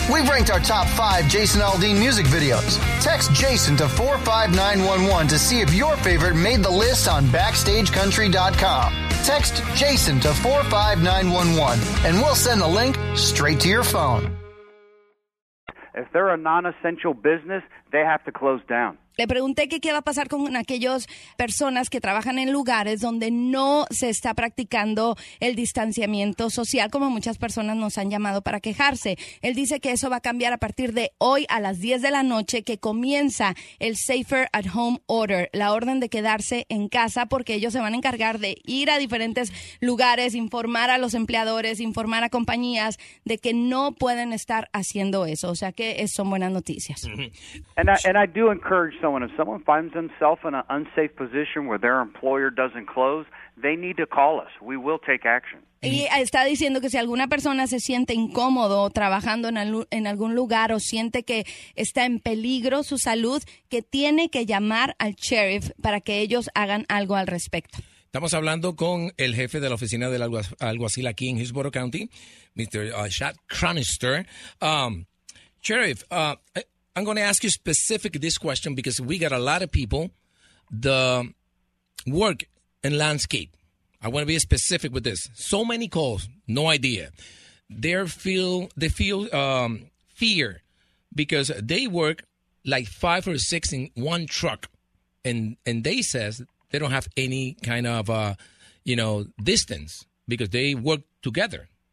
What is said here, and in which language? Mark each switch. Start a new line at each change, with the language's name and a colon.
English: We've ranked our top 5 Jason Aldean music videos. Text Jason to 45911 to see if your favorite made the list on BackstageCountry.com. Text Jason to 45911 and we'll send the link straight to your phone. If they're a non-essential business, they have to close down.
Spanish: Le pregunté que qué va a pasar con aquellas personas que trabajan en lugares donde no se está practicando el distanciamiento social, como muchas personas nos han llamado para quejarse. Él dice que eso va a cambiar a partir de hoy a las 10 de la noche, que comienza el Safer at Home Order, la orden de quedarse en casa, porque ellos se van a encargar de ir a diferentes lugares, informar a los empleadores, informar a compañías de que no pueden estar haciendo eso. O sea que son buenas noticias.
English: And I do encourage someone, if someone finds themselves in an unsafe position where their employer doesn't close, they need to call us. We will take action.
Spanish: Y está diciendo que si alguna persona se siente incómodo trabajando en algún lugar o siente que está en peligro su salud, que tiene que llamar al sheriff para que ellos hagan algo al respecto. Estamos hablando con el jefe de la oficina del alguacil aquí en Hillsborough County, Mr. Chad Cronister.
English: Sheriff, I'm going to ask you specifically this question because we got a lot of people that work in landscape. I want to be specific with this. So many calls, no idea. They feel fear because they work like five or six in one truck, and they says they don't have any kind of distance because they work together.